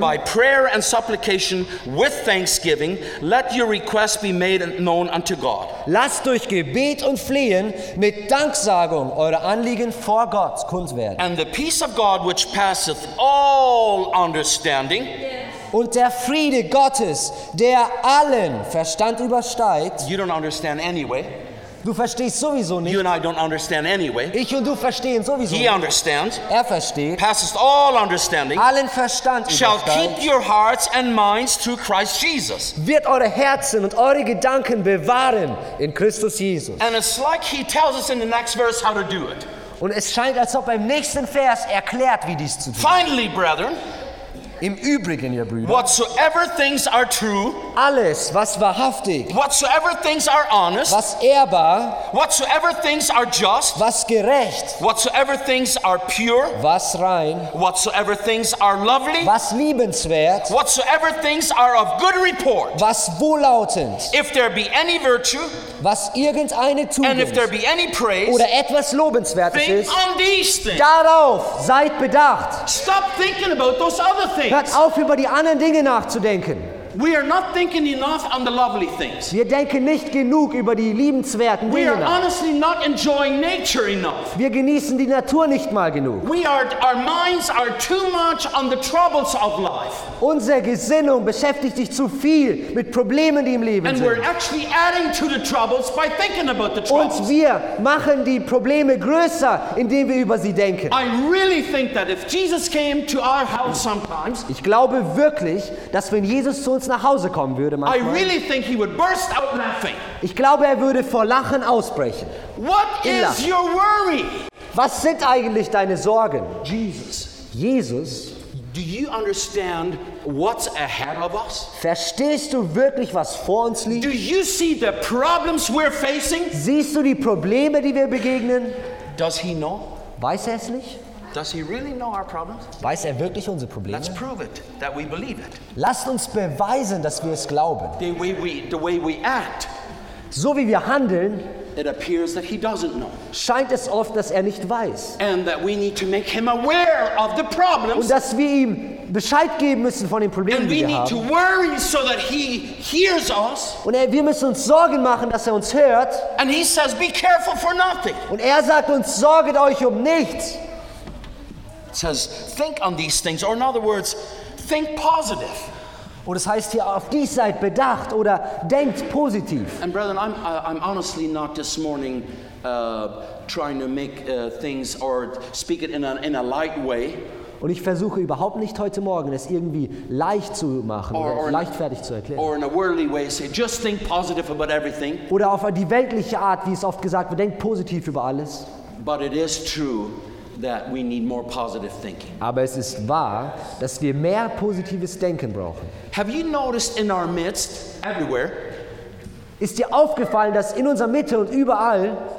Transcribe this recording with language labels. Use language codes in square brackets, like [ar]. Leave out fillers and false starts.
[en] by prayer and supplication with thanksgiving let your request be made known unto God. [de] Lasst durch Gebet und Flehen mit Danksagung eure Anliegen vor Gott kund werden. [en] And the peace of God which passeth all understanding. [de] Und der Friede Gottes, der allen Verstand übersteigt. [en] You don't understand anyway. [de] Du verstehst sowieso nicht. [en] You and I don't understand anyway. [de] Ich und du verstehen sowieso [en] he [de] nicht. [en] Understands. [de] Er versteht. [en] Passest all understanding. [de] Allen Verstand [en] shall keep your hearts and minds through Christ Jesus. [de] Wird eure Herzen und eure Gedanken bewahren in Christus Jesus. [en] And it's like he tells us in the next verse how to do it. [de] Und es scheint, als ob im nächsten Vers erklärt, wie dies zu tun ist. [en] Finally, brethren. [de] Im Übrigen, ihr Brüder, [en] whatsoever things are true, [de] alles was wahrhaftig, [en] whatsoever things are honest, [de] was ehrbar, [en] whatsoever things are just, [de] was gerecht, [en] whatsoever things are pure, [de] was rein, [en] whatsoever things are lovely, [de] was liebenswert, [en] whatsoever things are of good report, [de] was wohllautend, [en] if there be any virtue, [de] was irgendeine Tugend, [en] and if there be any praise, [de] oder etwas Lobenswertes ist, [en] on these things. [de] Darauf seid bedacht. [en] Stop thinking about those other things. [de] Hört auf, über die anderen Dinge nachzudenken. [en] We are not thinking enough on the lovely things. [de] Wir denken nicht genug über die liebenswerten Dinge. [en] We are honestly not enjoying nature enough. [de] Wir genießen die Natur nicht mal genug. [en] We are our minds are too much on the troubles of life. [de] Unsere Gesinnung beschäftigt sich zu viel mit Problemen, die im Leben [en] and [de] sind. [en] And we're actually adding to the troubles by thinking about the troubles. [de] Und wir machen die Probleme größer, indem wir über sie denken. [en] I really think that if Jesus came to our house sometimes, [de] ich glaube wirklich, dass wenn Jesus zu uns nach Hause kommen würde manchmal. [en] I really think he would burst out laughing. [de] Ich glaube, er würde vor Lachen ausbrechen. [en] What is your worry? [de] Was sind eigentlich deine Sorgen? [en] Jesus. [de] Jesus. [en] Do you understand what's ahead of us? [de] Verstehst du wirklich, was vor uns liegt? [en] Do you see the problems we're facing? [de] Siehst du die Probleme, die wir begegnen? [en] Does he know? [de] Weiß er es nicht? [en] Does he really know our problems? [de] Weiß er wirklich unsere Probleme? [en] Let's prove it, that we believe it. [de] Lasst uns beweisen, dass wir es glauben. [en] The way we act, [de] so wie wir handeln, [en] it appears that he doesn't know. [de] Scheint es oft, dass er nicht weiß. [en] And that we need to make him aware of the problems. [de] Und dass wir ihm Bescheid geben müssen von den Problemen, die wir haben. [en] And we need to worry so that he hears us. [de] Und wir müssen uns Sorgen machen, dass er uns hört. [en] And he says, be careful for nothing. [de] Und er sagt uns, sorget euch um nichts. [en] It says, think on these things, or in other words, think positive. [de] Und es heißt hier, auf dies seid bedacht oder denkt positiv. [en] And brethren, I'm honestly not this morning trying to make things or speak it in a light way. [de] Und ich versuche überhaupt nicht heute Morgen, es irgendwie leicht zu machen oder leichtfertig zu erklären. [en] Or in a worldly way, say, just think positive about everything. [de] Oder auf die weltliche Art, wie es oft gesagt wird, denkt positiv über alles. [en] But it is true. That we need more positive thinking. [de] Aber es ist wahr, dass wir mehr positives Denken brauchen. [en] Have you noticed in our midst, everywhere? [de] Ist dir aufgefallen, dass in unserer Mitte und überall?